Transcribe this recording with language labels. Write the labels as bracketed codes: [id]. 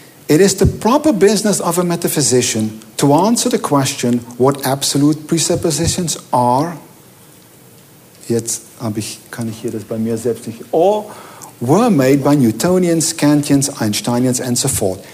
[en] It is the proper business of a metaphysician to answer the question what absolute presuppositions are. [de] Jetzt kann ich hier das bei mir selbst nicht. [en] Or were made by Newtonians, Kantians, Einsteinians and so forth.